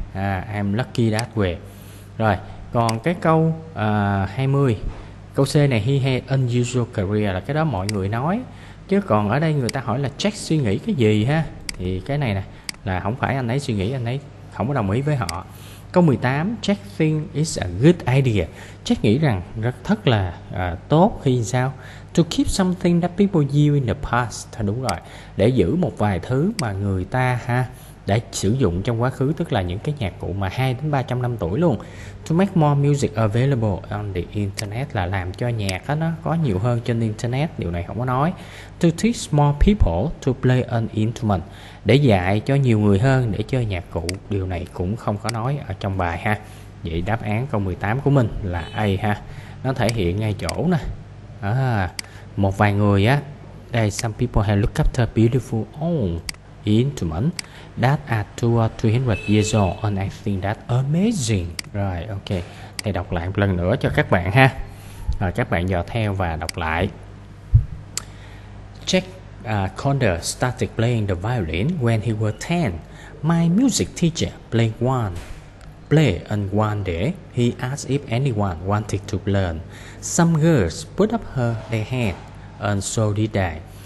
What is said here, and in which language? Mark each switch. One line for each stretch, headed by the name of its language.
English: I'm lucky that way.
Vietnamese: Rồi còn cái câu 20, câu C này,
English: he had unusual career,
Vietnamese: là cái đó mọi người nói. Chứ còn ở đây người ta hỏi là Jack suy nghĩ cái gì ha, thì cái này nè, là không phải anh ấy suy nghĩ, anh ấy không có đồng ý với họ. Câu 18,
English: Jack think it's a good idea.
Vietnamese: Jack nghĩ rằng rất thật là tốt khi sao?
English: To keep something that people use in the past.
Vietnamese: Thôi đúng rồi, để giữ một vài thứ mà người ta ha đã sử dụng trong quá khứ, tức là những cái nhạc cụ mà 200 đến 300 năm tuổi luôn.
English: To make more music available on the internet,
Vietnamese: là làm cho nhạc nó có nhiều hơn trên internet. Điều này không có nói.
English: To teach more people to play an instrument,
Vietnamese: để dạy cho nhiều người hơn để chơi nhạc cụ. Điều này cũng không có nói ở trong bài ha. Vậy đáp án câu 18 của mình là A ha. Nó thể hiện ngay chỗ nè, Một vài người á, đây,
English: some people have looked after beautiful old instruments that are 200 years old and I think that's amazing.
Vietnamese: Rồi, ok. Thầy đọc lại một lần nữa cho các bạn ha. Rồi, các bạn dò theo và đọc lại.
English: Jack Conder started playing the violin when he was 10. My music teacher played one one day. He asked if anyone wanted to learn. Some girls put up their hand and so did I.